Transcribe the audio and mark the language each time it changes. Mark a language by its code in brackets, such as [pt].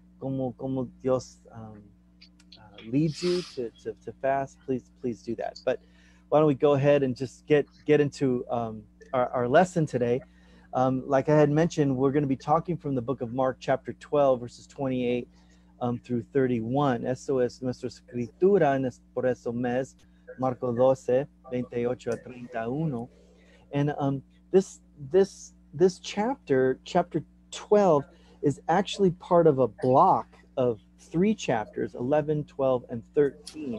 [en] como Dios leads you to fast, please do that. But why don't we go ahead and just get into our lesson today. Like I had mentioned, we're going to be talking from the book of Mark, chapter 12, verses 28 through 31. [es] Eso es nuestra escritura por ese mes, Marco 12, 28 a 31. [en] And this chapter 12, is actually part of a block of three chapters, 11, 12, and 13.